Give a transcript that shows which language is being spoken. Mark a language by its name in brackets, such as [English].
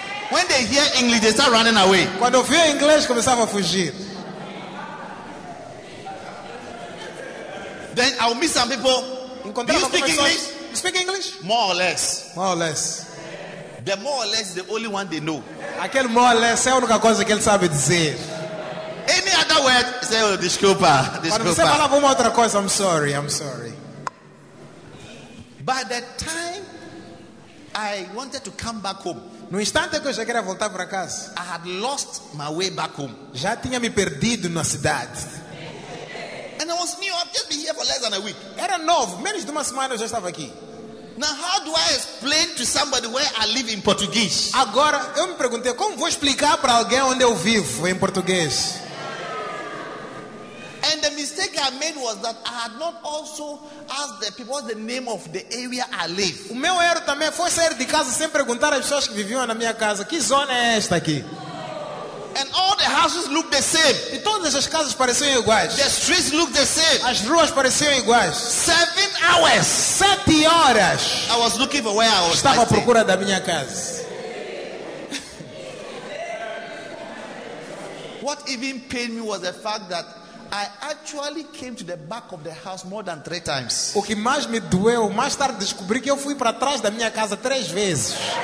[English] When they hear English, they start running away. [Portuguese] Quando ouviu inglês, começava a fugir. [English] Then I'll meet some people. [Portuguese] Encontrar [English] do you speak English? You speak English? More or less. More or less. The more or less is the only one they know. [Portuguese] Aquele [English] more or less [Portuguese] é a única coisa que ele sabe dizer. [English] Any other word? Say, oh, [Portuguese] desculpa. Quando você falava uma outra coisa, [English] I'm sorry. By the time I wanted to come back home. [Portuguese] No instante que eu já queria voltar para casa. [English] I had lost my way back home. [Portuguese] Já tinha me perdido na cidade. [English] And I was new. I've just been here for less than a week. [Portuguese] Era novo. Menos de uma semana eu já estava aqui. [English] Now, how do I explain to somebody where I live in Portuguese? [Portuguese] Agora, eu me perguntei, como vou explicar para alguém onde eu vivo em português? [English] And the mistake I made was that I had not also asked the people the name of the area I live. [Portuguese] O meu erro também foi sair de casa sem perguntar às pessoas que viviam na minha casa. Que zona é esta aqui? [English] And all the houses look the same. [Portuguese] E todas as casas pareciam iguais. [English] The streets look the same. [Portuguese] As ruas pareciam iguais. [English] 7 hours. [Portuguese] 7 horas. [English] I was looking for where I was. [Portuguese] Estava à procura da minha casa. [English] What even pained me was the fact that I actually came to the back of the house more than 3 times. [Portuguese] O que mais me doeu, mais tarde descobri que eu fui para trás da minha casa 3 vezes.